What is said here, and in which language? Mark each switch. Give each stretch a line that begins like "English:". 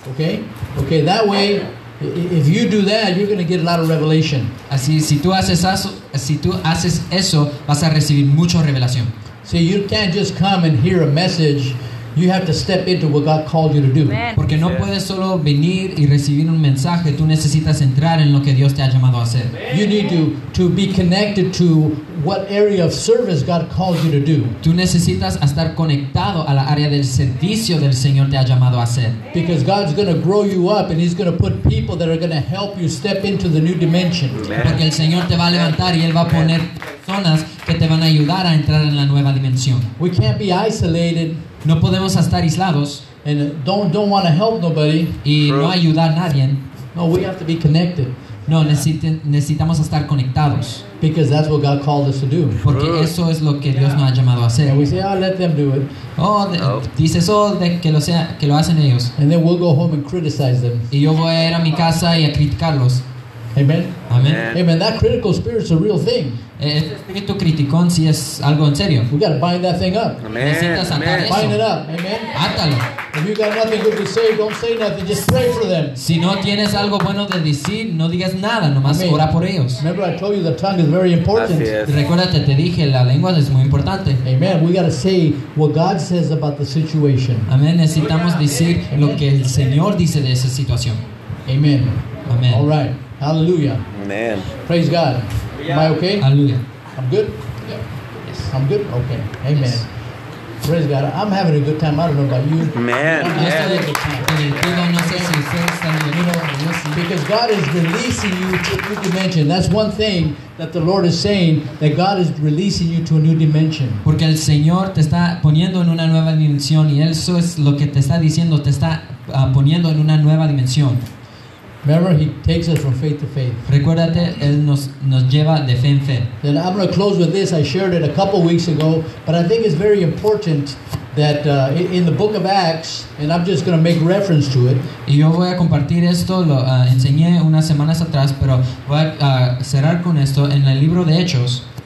English: Okay, that way, if you do that, you're going to get a lot of revelation.
Spanish: Así, si tú haces eso, vas a recibir mucha revelación.
English: See, you can't just come and hear a message. You have to step into what God called you to do.
Spanish: Porque no puedes solo venir y recibir un mensaje. Tú necesitas entrar en lo que Dios te ha llamado a hacer.
English: You need to be connected to what area of service God called you to do.
Spanish: Tú necesitas estar conectado a la área del servicio del Señor te ha llamado a hacer.
English: Because God's going to grow you up and He's going to put people that are going to help you step into the new dimension.
Spanish: Porque el Señor te va a levantar y Él va a poner personas que te van a ayudar a entrar en la nueva dimensión.
English: We can't be isolated.
Spanish: No podemos estar aislados.
English: And don't want to help nobody.
Spanish: Y no ayudar a nadie.
English: No, we have to be connected.
Spanish: No, necesitamos estar conectados.
English: Because that's what God called us to do.
Spanish: Porque eso es lo que Dios nos ha llamado a hacer.
English: And we say, oh, let them do it.
Spanish: Oh, dices, oh, que lo hacen ellos.
English: And then we'll go home and criticize them.
Spanish: Y yo voy a ir a mi casa y a criticarlos.
English: Amen. Amen. Amen. That critical spirit is a real thing.
Spanish: Espíritu criticón si es algo en serio.
English: We gotta bind that thing up.
Spanish: Necesitas atar eso.
English: Bind it up. Amen.
Spanish: Átalo.
English: If you got nothing good to say, don't say nothing. Just pray for them.
Spanish: Si no tienes algo bueno de decir, no digas nada. Nomás ora por ellos.
English: Remember, I told you the tongue is very important.
Spanish: Recuérdate, te dije, la lengua es muy importante.
English: Amen. We gotta say what God says about the situation.
Spanish: Amén. Necesitamos decir lo que el Señor dice de esa situación.
English: Amen. Amen. All right. Hallelujah. Amen. Praise God. Am I okay? Hallelujah. I'm good? Yeah. Yes. I'm good? Okay. Amen. Yes. Praise God. I'm having a good time. I don't know about you. Man. Because God is releasing you to a new dimension. That's one thing that the Lord is saying, that God is releasing you to a new dimension.
Spanish: Porque el Señor te está poniendo en una nueva dimensión, y eso es lo que te está diciendo, te está poniendo en una nueva dimensión.
English: Remember, he takes us from faith to faith.
Spanish: Recuérdate, él nos lleva de fe en fe.
English: Then I'm going to close with this. I shared it a couple weeks ago, but I think it's very important that in the book of Acts, and I'm just going to make reference to it.
Spanish: Y yo voy a compartir esto. Lo enseñé unas semanas atrás, pero voy a cerrar con esto en el libro de Hechos.